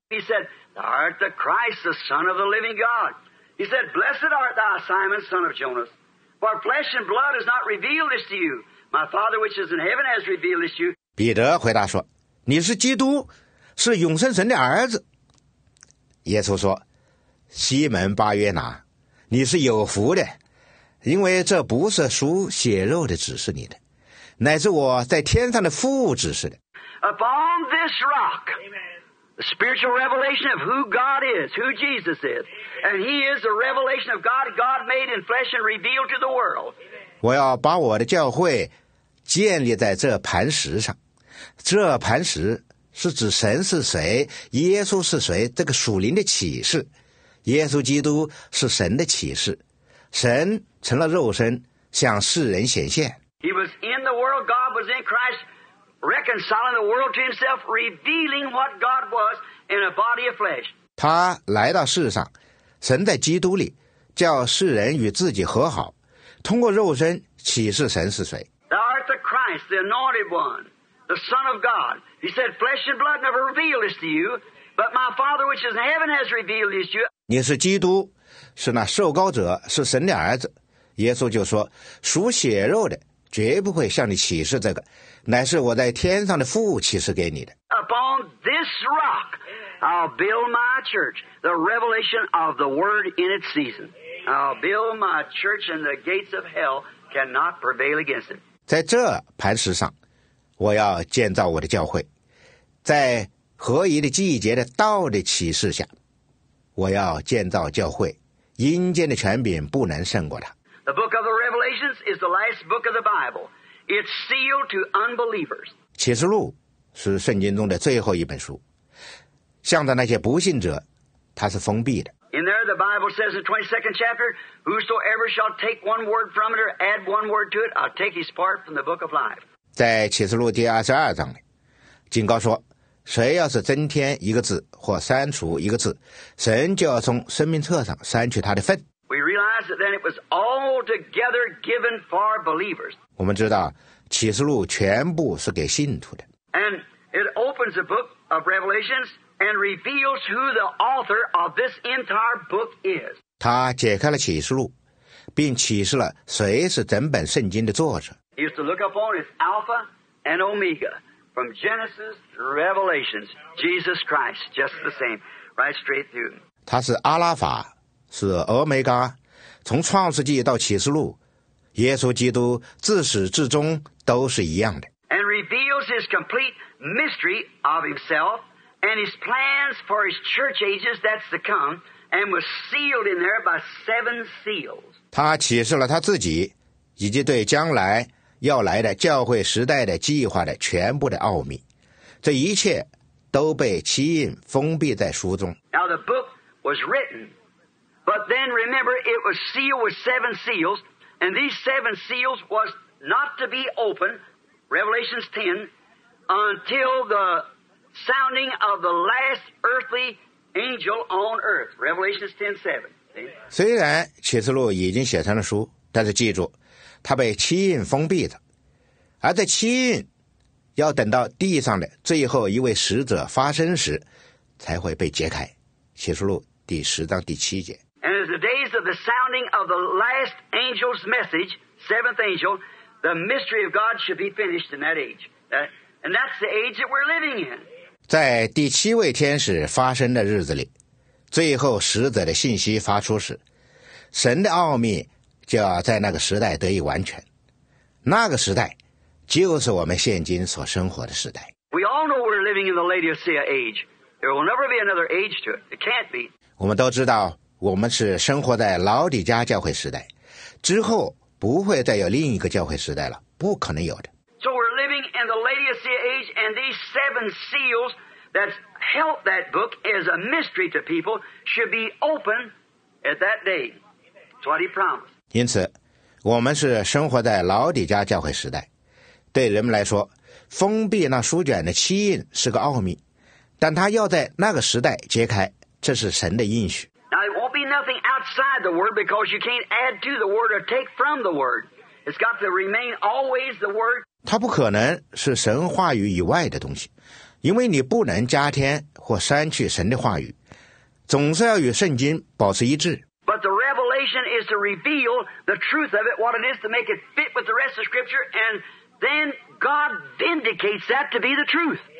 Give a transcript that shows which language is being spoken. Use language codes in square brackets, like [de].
[en] He said, Thou art the Christ, the Son of the living God. He said, Blessed art thou, Simon, son of Jonas. For flesh and blood has not revealed this to you. My Father which is in heaven has revealed this to you. [zh] 彼得回答说，你是基督，是永生神的儿子。耶稣说，西门巴约拿，你是有福的，因为这不是属血肉的指示你的，乃是我在天上的父指示的。 [en] Upon this rock, the spiritual revelation of who God is, who Jesus is, and He is the revelation of God, God made in flesh and revealed to the world. [zh] 我要把我的教会建立在这磐石上，这磐石是指神是谁，耶稣是谁，这个属灵的启示。耶稣基督是神的启示，神成了肉身向世人显现。 [en] He was in the world, God was in Christ, reconciling the world to himself, revealing what God was in a body of flesh. [zh] 他来到世上，神在基督里，叫世人与自己和好，通过肉身启示神是谁。 [en] Thou art the Christ, the anointed one, the Son of God. He said, flesh and blood never revealed this to you, but my Father which is in heaven has revealed this to you. [zh] 你是基督，是那受膏者，是神的儿子。耶稣就说，属血肉的绝不会向你启示这个，乃是我在天上的父启示给你的。 [en] Upon this rock I'll build my church, the revelation of the word in its season. I'll build my church and the gates of hell cannot prevail against it. [zh] 在这磐石上我要建造我的教会，在合一的季节的道的启示下我要建造教会，阴间的权柄不能胜过它。 [en] The book of the Revelations is the last book of the Bible. It's sealed to unbelievers. [zh] 启示录是圣经中的最后一本书，向着那些不信者，它是封闭的。 [en] In there, the Bible says in the 22nd chapter, Whosoever shall take one word from it or add one word to it, I'll take his part from the book of life. [zh] 在启示录第22章里，警告说，谁要是增添一个字或删除一个字，神就要从生命册上删去他的份。 [en] We realize that then it was altogether given for believers. [zh] 我们知道启示录全部是给信徒的。 [en] And it opens the book of Revelations and reveals who the author of this entire book is. [zh] 他解开了启示录，并启示了谁是整本圣经的作者。 [en] He used to look upon it as Alpha and Omega, from Genesis to Revelations, Jesus Christ, just the same, right straight through. [zh] 他是阿拉法，是俄梅嘎，从创世纪到启示录，耶稣基督自始至终都是一样的。 [en] And reveals his complete mystery of himself and his plans for his church ages that's to come, and was sealed in there by seven seals. [zh] 他启示了他自己，以及对将来要来的教会时代的计划的全部的奥秘，这一切都被七印封闭在书中。 [en] Now the book was written. But then remember, it was sealed with seven seals, and these seven seals was not to be opened, Revelations 10, until the sounding of the last earthly angel on earth, Revelations 10, 7. [zh] 虽然启示录已经写成了书，但是记住，它被七印封闭着，而在七运要等到地上的最后一位使者发生时才会被解开。启示录第十章第七节。 [en] And as the days of the sounding of the last angel's message, seventh angel, the mystery of God should be finished in that age. And that's the age that we're living in. [zh] 在第七位天使发生的日子里，最后使者的信息发出时，神的奥秘就要在那个时代得以完全。那个时代就是我们现今所生活的时代。 [en] We all know we're living in the Laodicea age. There will never be another age to it. It can't be. [zh] 我们都知道我们是生活在老底加教会时代，之后不会再有另一个教会时代了，不可能有的。 [en] So we're living in the Laodicea age, and these seven seals that held that book as a mystery to people should be open at that day. That's what he promised. [zh] 因此，我们是生活在老底加教会时代。对人们来说，封闭那书卷的七印是个奥秘，但它要在那个时代揭开，这是神的应许。 [en] Now it won't be nothing outside the word because you can't add to the word or take from the word. It's got to remain always the word. [zh] 它不可能是神话语以外的东西，因为你不能加添或删去神的话语，总是要与圣经保持一致。 [en] But the revelation is to reveal the truth of it, what it is to make it fit with the rest of Scripture, and then God vindicates that to be the truth.